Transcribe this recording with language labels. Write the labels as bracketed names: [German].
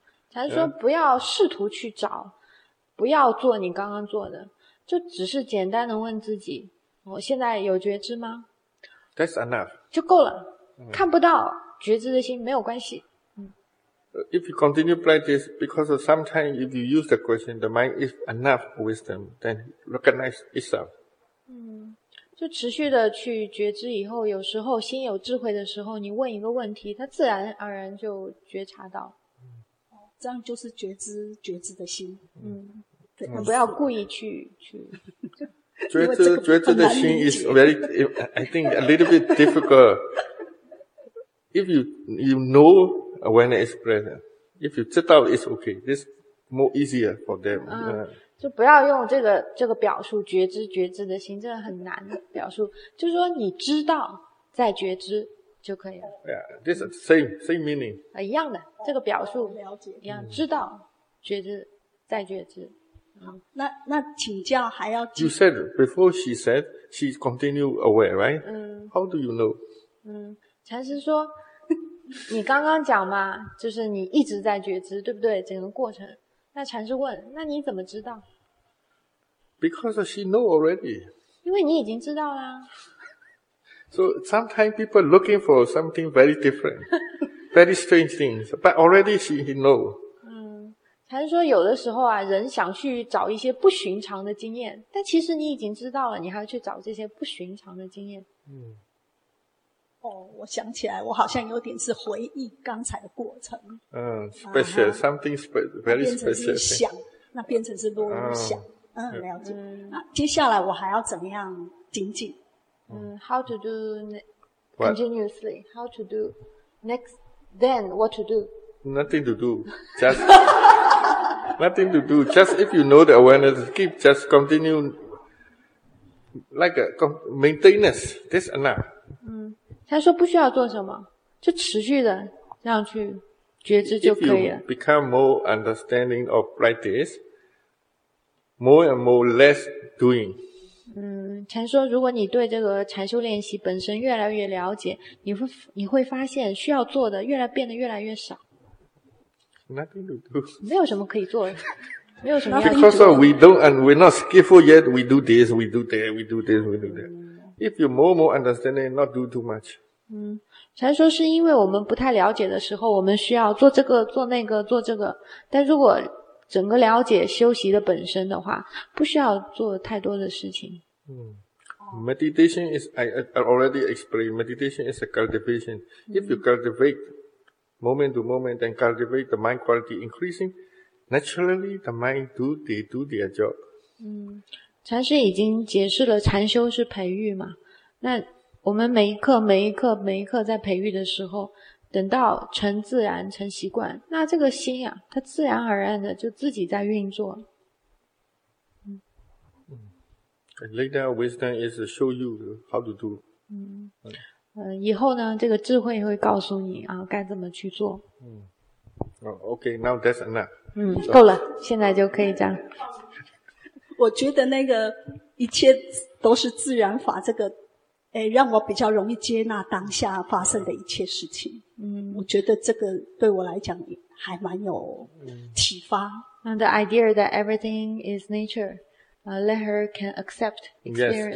[Chinese] 禅师说不要试图去找，不要做你刚刚做的，就只是简单的问自己，我现在有觉知吗？ [English] That's enough. [Chinese] 就够了，看不到觉知的心没有关系。 [English] If you continue practice, because sometimes if you use the question, the mind is enough wisdom, then recognize itself. [Chinese] 就持续的去觉知以后，有时候心有智慧的时候，你问一个问题，它自然而然就觉察到。这样就是觉知觉知的心，对，不要故意去觉知觉知的心 [English] is very I think a little bit difficult. If you know awareness is present, if you [Chinese] 知道 [English] it's okay, this more easier for them. [Chinese] 就不要用这个表述觉知觉知的心，这个很难表述，就是说你知道在觉知就可以了。 [English] Yeah, this is same meaning. [Chinese] 一样的，这个表述了解一样，知道、觉知、再觉知。那请教还要。 [English] You said before she said she continue aware, right? How do you know? [Chinese] 禅师说，你刚刚讲嘛，就是你一直在觉知，对不对？整个过程。那禅师问，那你怎么知道 [English] ？Because she know already. [Chinese] 因为你已经知道啦。 [English] So sometimes people looking for something very different, very strange things, but already she know. [Chinese] 禅师说有的时候啊，人想去找一些不寻常的经验，但其实你已经知道了，你还要去找这些不寻常的经验。我想起来，我好像有点是回忆刚才的过程。 [English] Special, something very special. [Chinese] 变成是想，那变成是落入想。了解。那接下来我还要怎么样精进？ [English] How to do continuously? How to do next? Then what to do? Nothing to do. Just nothing to do. Just if you know the awareness, keep just continue like a maintenance. That's enough. [Chinese] 他说不需要做什么，就持续的这样去觉知就可以了。 [English] If you become more understanding of practice, more and more less doing. [Chinese] 禅说如果你对这个禅修练习本身越来越了解，你会发现需要做的变得越来越少。 [English] Nothing to do. [Chinese] 没有什么可以做的。没有什么可以做的。 [English] Because we don't, and we're not skillful yet, we do this, we do that, we do this, we do that. If you more understand it, not do too much. [Chinese] 禅说是因为我们不太了解的时候，我们需要做这个做那个做这个，但如果整个了解修习的本身的话，不需要做太多的事情。 [English] Meditation is, I already explained, meditation is a cultivation. If you cultivate moment to moment, then cultivate the mind quality increasing, naturally the mind do their job. [Chinese] 禅师已经解释了禅修是培育嘛。那我们每一刻每一刻每一刻在培育的时候，等到成自然成习惯，那这个心啊，它自然而然的就自己在运作。 [English] Later wisdom is show you how to do. [Chinese] 以后呢，这个智慧会告诉你啊，该怎么去做。 [English] Okay, now that's enough. [Chinese] 够了，现在就可以这样。我觉得那个一切都是自然法，这个让我比较容易接纳当下发生的一切事情。我觉得这个对我来讲还蛮有启发。 [English] The idea that everything is nature, let her can accept experience.